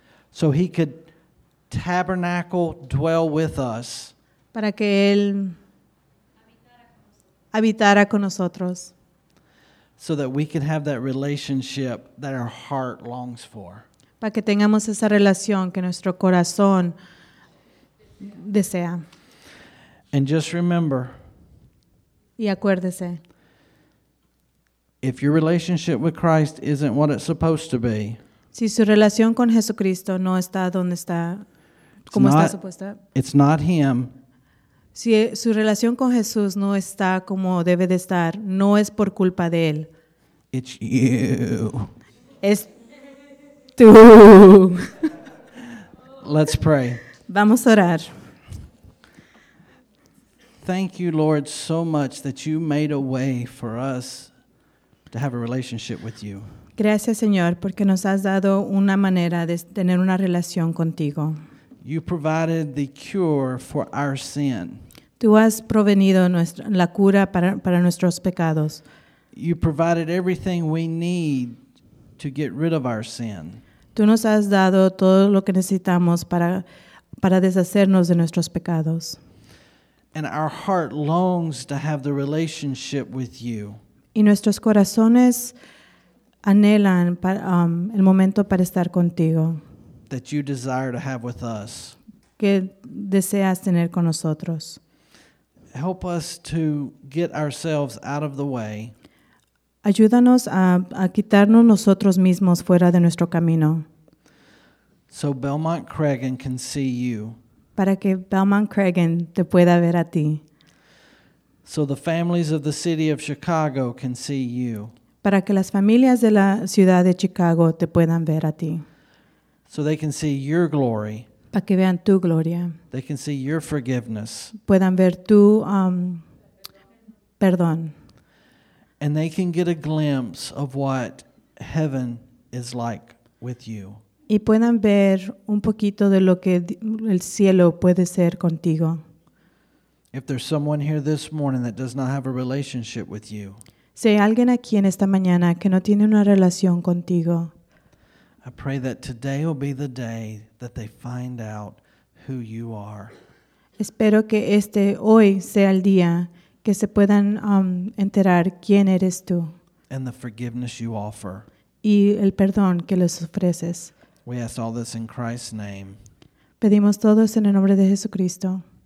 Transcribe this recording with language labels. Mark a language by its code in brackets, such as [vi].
[en] So he could tabernacle dwell with us. [es] Para que él habitara con nosotros. [en] So that we can have that relationship that our heart longs for. [es] para que tengamos esa relación que nuestro corazón desea. [en] And just remember, [es] y acuérdese, [en] if your relationship with Christ isn't what it's supposed to be, [es] si su relación con Jesucristo no está donde está, como está supuesta, [en] it's not him, [es] si su relación con Jesús no está como debe de estar, no es por culpa de él. [en] It's you. [es] Es tú. [en] Let's pray. [es] Vamos a orar. [en] Thank you, Lord, so much that you made a way for us to have a relationship with you. [es] Gracias, Señor, porque nos has dado una manera de tener una relación contigo. [en] You provided the cure for our sin. [es] Tú has provenido la cura para nuestros pecados. [en] You provided everything we need to get rid of our sin. [es] Tú nos has dado todo lo que necesitamos para deshacernos de nuestros pecados. [en] And our heart longs to have the relationship with you. [es] Y nuestros corazones anhelan el momento para estar contigo. [en] That you desire to have with us. [es] Que deseas tener con nosotros. [en] Help us to get ourselves out of the way. [es] Ayúdanos a quitarnos nosotros mismos fuera de nuestro camino. [en] So Belmont Cragin can see you. [es] Para que Belmont Cragin te pueda ver a ti. [en] So the families of the city of Chicago can see you. [es] Para que las familias de la ciudad de Chicago te puedan ver a ti. [en] So they can see your glory. [es] Para que vean tu gloria. [en] They can see your forgiveness. [es] Puedan ver tu perdón. [en] And they can get a glimpse of what heaven is like with you. [es] Y puedan ver un poquito de lo que el cielo puede ser contigo. [en] If there's someone here this morning that does not have a relationship with you, [es] si hay alguien aquí en esta mañana que no tiene una relación contigo, [en] I pray that today will be the day that they find out who you are. [es] Espero que este hoy sea el día que se puedan enterar quién eres tú. [en] And the forgiveness you offer. [es] Y el perdón que les ofreces. [en] We ask all this in Christ's name. [es] Pedimos todo esto en el nombre de Jesucristo.